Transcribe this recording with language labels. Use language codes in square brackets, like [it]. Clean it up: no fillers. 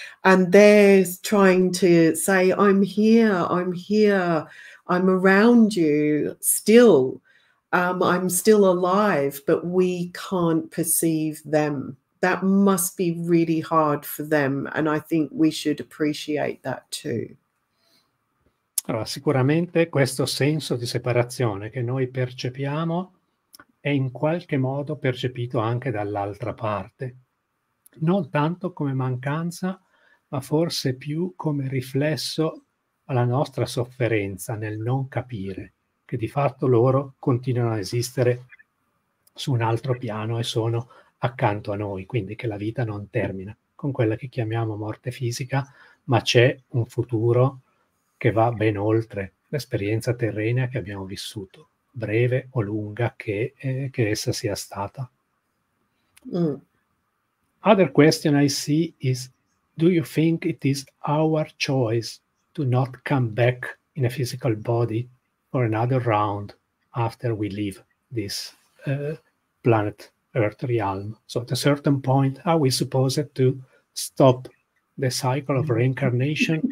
[en] And they're trying to say, I'm here, I'm here, I'm around you still. I'm still alive, but we can't perceive them. That must be really hard for them, and I think we should appreciate that too. [it] Allora, sicuramente questo senso di separazione che noi percepiamo è in qualche modo percepito anche dall'altra parte, non tanto come mancanza, ma forse più come riflesso alla nostra sofferenza nel non capire che di fatto loro continuano a esistere su un altro piano e sono accanto a noi, quindi che la vita non termina con quella che chiamiamo morte fisica, ma c'è un futuro che va ben oltre l'esperienza terrena che abbiamo vissuto, breve o lunga che essa sia stata. [en] Other question I see is, do you think it is our choice to not come back in a physical body for another round after we leave this planet earth realm. So at a certain point, are we supposed to stop the cycle of reincarnation?